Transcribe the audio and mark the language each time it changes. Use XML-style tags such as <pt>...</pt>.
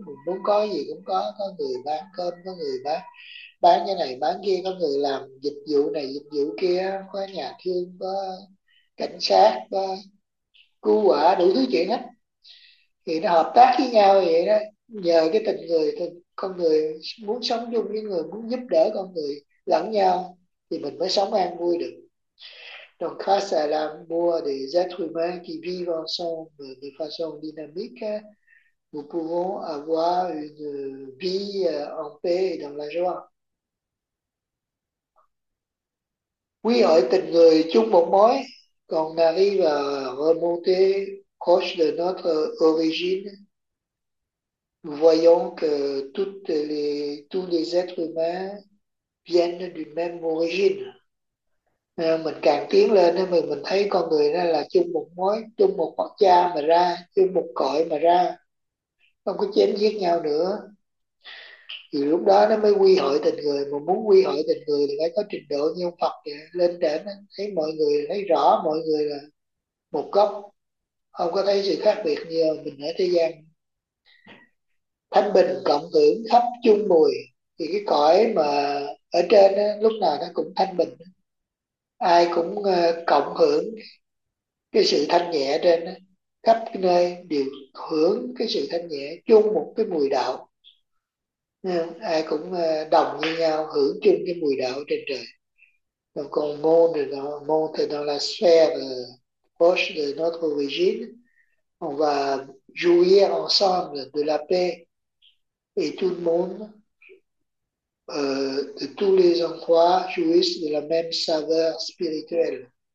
<vi>Mình muốn có gì cũng có người bán cơm, có người bán cái này bán kia, có người làm dịch vụ này dịch vụ kia, có nhà thương, có cảnh sát, có cứu hỏa, đủ thứ chuyện hết. Thì nó hợp tác với nhau vậy đó, nhờ cái tình người. Thì con người muốn sống chung với người, muốn giúp đỡ con người lẫn nhau thì mình mới sống an vui được.</vi> <fr>Donc grâce à l'amour des êtres humains qui vivent ensemble de façon dynamique, nous pouvons avoir une vie en paix et dans la joie.</fr> <vi>Quy hội tình người chung một mối, còn</vi> <fr>arrive à remonter proche de notre origine. Nous voyons que tous les êtres humains viennent d'une même origine.</fr> <vi>Mình càng tiến lên thì mình thấy con người đó là chung một mối, chung một bậc cha mà ra, chung một cội mà ra, không có chém giết nhau nữa. Thì lúc đó nó mới quy hội tình người. Mà muốn quy hội tình người thì phải có trình độ như ông Phật vậy. Lên trên thấy mọi người, thấy rõ mọi người là một gốc, không có thấy sự khác biệt như mình ở thế gian. Thanh bình cộng hưởng khắp chung mùi. Thì cái cõi mà ở trên đó, lúc nào nó cũng thanh bình, ai cũng cộng hưởng cái sự thanh nhẹ trên đó. Khắp cái nơi đều hưởng cái sự thanh nhẹ, chung một cái mùi đạo. Nên ai cũng đồng như nhau, hưởng chung cái mùi đạo trên trời.</vi> <fr>Donc on monte dans la sphère proche de notre origine. On va jouir ensemble de la paix et tout le monde, de tous les endroits, jouissent de la même saveur spirituelle.</fr>